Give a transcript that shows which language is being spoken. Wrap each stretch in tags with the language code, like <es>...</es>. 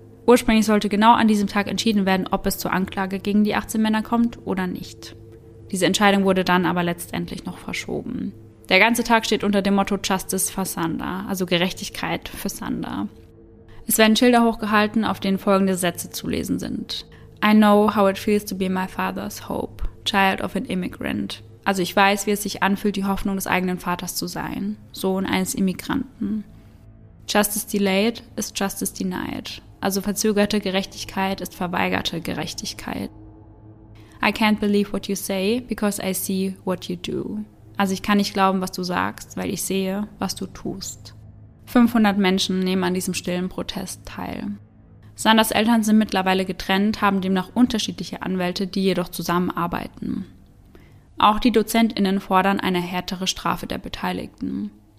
<de>Ursprünglich sollte genau an diesem Tag entschieden werden, ob es zur Anklage gegen die 18 Männer kommt oder nicht. Diese Entscheidung wurde dann aber letztendlich noch verschoben. Der ganze Tag steht unter dem Motto</de> <en>Justice for Sander,</en> <de>also Gerechtigkeit für Sander. Es werden Schilder hochgehalten, auf denen folgende Sätze zu lesen sind.</de> <en>I know how it feels to be my father's hope, child of an immigrant.</en> <de>Also ich weiß, wie es sich anfühlt, die Hoffnung des eigenen Vaters zu sein, Sohn eines Immigranten.</de> <en>Justice delayed is justice denied.</en> <de>Also verzögerte Gerechtigkeit ist verweigerte Gerechtigkeit.</de> <en>I can't believe what you say, because I see what you do.</en> <de>Also ich kann nicht glauben, was du sagst, weil ich sehe, was du tust. 500 Menschen nehmen an diesem stillen Protest teil. Sanders Eltern sind mittlerweile getrennt, haben demnach unterschiedliche Anwälte, die jedoch zusammenarbeiten. Auch die DozentInnen fordern eine härtere Strafe der Beteiligten.</de>